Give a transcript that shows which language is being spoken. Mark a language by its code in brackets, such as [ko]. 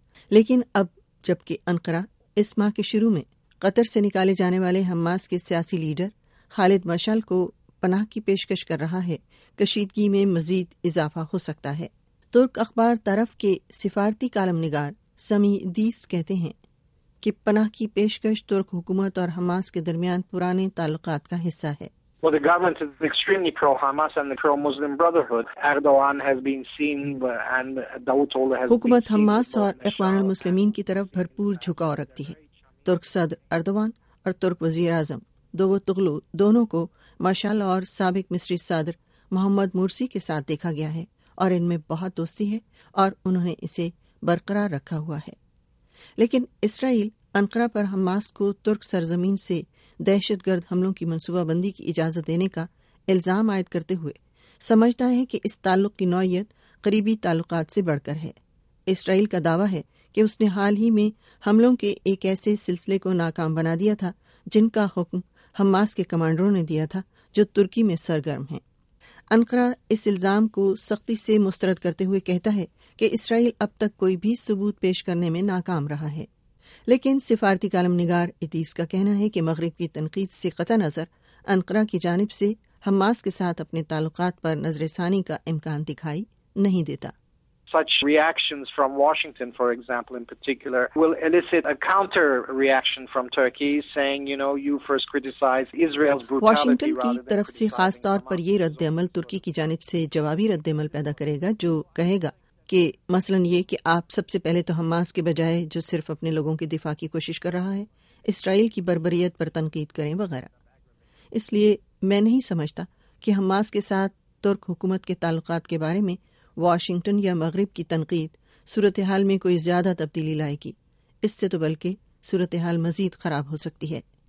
[ur] لیکن اب جبکہ انقرہ اس ماہ کے شروع میں قطر سے نکالے جانے والے حماس کے سیاسی لیڈر خالد مشعل کو پناہ کی پیشکش کر رہا ہے، کشیدگی میں مزید اضافہ ہو سکتا ہے. ترک اخبار طرف کے سفارتی کالم نگار سمی دیس کہتے ہیں کہ پناہ کی پیشکش ترک حکومت اور حماس کے درمیان پرانے تعلقات کا حصہ ہے. [en] Well, the government is extremely pro-Hamas and the pro-Muslim Brotherhood. Erdogan has been seen and Davutoglu has been [ur] حکومت حماس اور اخوان المسلمین کی طرف بھرپور جھکاؤ رکھتی ہے. ترک صدر اردوان اور ترک وزیر اعظم داوتوغلو دونوں کو مشعل اور سابق مصری صدر محمد مرسی کے ساتھ دیکھا گیا ہے اور ان میں بہت دوستی ہے اور انہوں نے اسے برقرار رکھا ہوا ہے. لیکن اسرائیل انقرہ پر حماس کو ترک سرزمین سے دہشت گرد حملوں کی منصوبہ بندی کی اجازت دینے کا الزام عائد کرتے ہوئے سمجھتا ہے کہ اس تعلق کی نوعیت قریبی تعلقات سے بڑھ کر ہے۔ اسرائیل کا دعویٰ ہے کہ اس نے حال ہی میں حملوں کے ایک ایسے سلسلے کو ناکام بنا دیا تھا جن کا حکم حماس کے کمانڈروں نے دیا تھا جو ترکی میں سرگرم ہیں۔ انقرہ اس الزام کو سختی سے مسترد کرتے ہوئے کہتا ہے کہ اسرائیل اب تک کوئی بھی ثبوت پیش کرنے میں ناکام رہا ہے، لیکن سفارتی کالم نگار اتیس کا کہنا ہے کہ مغرب کی تنقید سے قطع نظر انقرہ کی جانب سے حماس کے ساتھ اپنے تعلقات پر نظر ثانی کا امکان دکھائی نہیں دیتا۔ [en] Such reactions from Washington, for example, in particular, will elicit a counter reaction from Turkey saying, you know, you first criticize Israel's brutality. [ur] Washington کی طرف سے خاص طور پر یہ رد عمل ترکی کی جانب سے جوابی رد عمل پیدا کرے گا جو کہے گا کہ مثلا یہ کہ آپ سب سے پہلے تو حماس کے بجائے جو صرف اپنے لوگوں کے دفاع کی کوشش کر رہا ہے اسرائیل کی بربریت پر تنقید کریں وغیرہ۔ اس لیے میں نہیں سمجھتا کہ حماس کے ساتھ ترک حکومت کے تعلقات کے بارے میں واشنگٹن یا مغرب کی تنقید صورتحال میں کوئی زیادہ تبدیلی لائے گی، اس سے تو بلکہ صورتحال مزید خراب ہو سکتی ہے۔